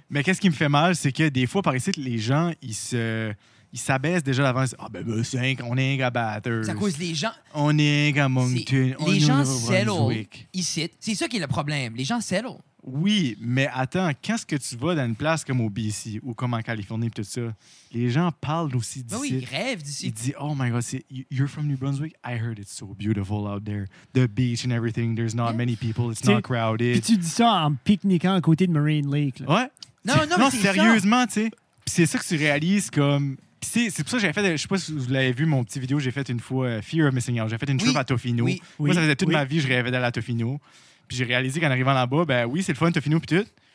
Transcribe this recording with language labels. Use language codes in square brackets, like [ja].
[fr] Mais qu'est-ce qui me fait mal, c'est que des fois, par ici, les gens, ils s'abaissent déjà d'avance. Ah, ben c'est un qu'on est un gars batteur. Ça cause les gens. On est un gars Moncton. Les gens settlent ici. C'est ça qui est le problème. Les gens settlent. Oui, mais attends, qu'est-ce que tu vas dans une place comme au BC ou comme en Californie et tout ça? Les gens parlent aussi d'ici. Ben oui, ils rêvent d'ici. [en] Ils disent, oh my God, you're from New Brunswick? I heard it's so beautiful out there. The beach and everything, there's not many people, it's not crowded. [fr] Puis tu dis ça en pique-niquant à côté de Marine Lake. Là. Ouais. Non, mais c'est sérieusement, tu sais. Puis c'est ça que tu réalises comme... Puis c'est pour ça que j'avais fait, je sais pas si vous l'avez vu, mon petit vidéo, j'ai fait une fois Fear of Missing Out. J'ai fait une trip à Tofino. Moi, ça faisait toute ma vie, je rêvais d'aller à Tofino. Puis j'ai réalisé qu'en arrivant là-bas, ben oui, c'est le fun, t'as fini, puis tout.